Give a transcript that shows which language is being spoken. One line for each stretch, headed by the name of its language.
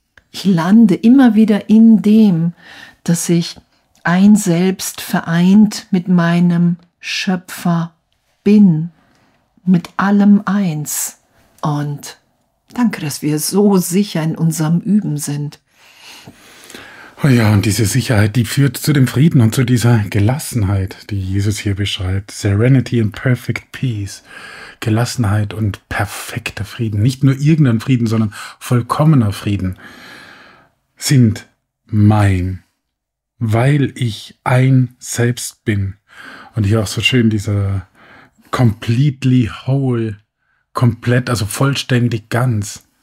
German: Ich lande immer wieder in dem, dass ich ein Selbst vereint mit meinem Schöpfer bin, mit allem eins. Und danke, dass wir so sicher in unserem Üben sind. Oh ja, und diese Sicherheit, die führt zu dem Frieden und zu dieser Gelassenheit, die Jesus hier beschreibt.
English: Serenity and perfect peace.
German: Gelassenheit und perfekter Frieden. Nicht nur irgendein Frieden, sondern vollkommener Frieden sind mein, weil ich ein Selbst bin. Und hier auch so schön dieser
English: completely whole,
German: komplett, also vollständig ganz.